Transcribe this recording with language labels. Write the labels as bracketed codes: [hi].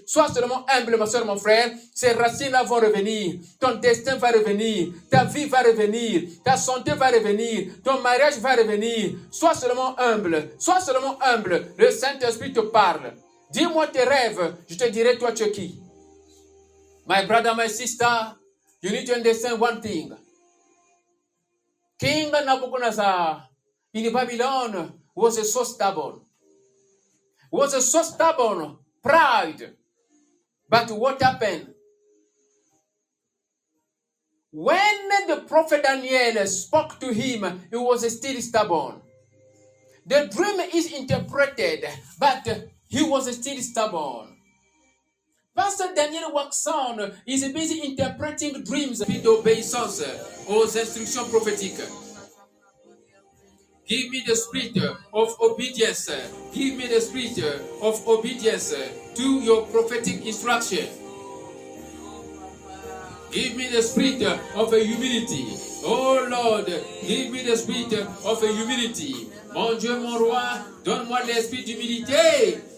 [fr] Sois seulement humble, ma soeur, mon frère, ces racines-là vont revenir, ton destin va revenir, ta vie va revenir, ta santé va revenir, ton mariage va revenir. Sois seulement humble, sois seulement humble. Le Saint-Esprit te parle. Dis-moi tes rêves, je te dirai toi tu es qui. [en] My brother, my sister, you need to understand one thing. King Nabuchodonosor in Babylon was so stubborn. Was so stubborn, pride. But what happened? When the prophet Daniel spoke to him, he was still stubborn. The dream is interpreted, but he was still stubborn. Pastor Daniel Waxon is busy interpreting dreams with obeisance [fr] aux instructions prophétiques. [en] Give me the spirit of obedience. Give me the spirit of obedience to your prophetic instruction. Give me the spirit of humility. Oh Lord, give me the spirit of humility. [fr] Mon Dieu, mon roi, donne-moi l'esprit d'humilité.